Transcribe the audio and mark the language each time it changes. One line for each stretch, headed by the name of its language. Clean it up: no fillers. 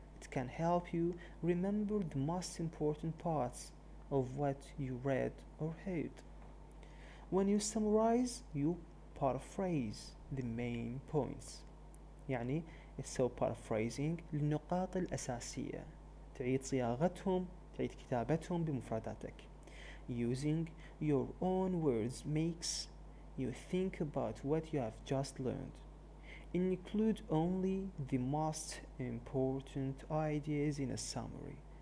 English: It can help you remember the most important parts of what you read or heard. When you summarize, you paraphrase. the main points.
Arabic: يعني تسوي paraphrasing للنقاط الأساسية. تعيد صياغتهم، تعيد كتابتهم بمفرداتك.
English: Using your own words makes you think about what you have just learned. Include only the most important ideas in a summary.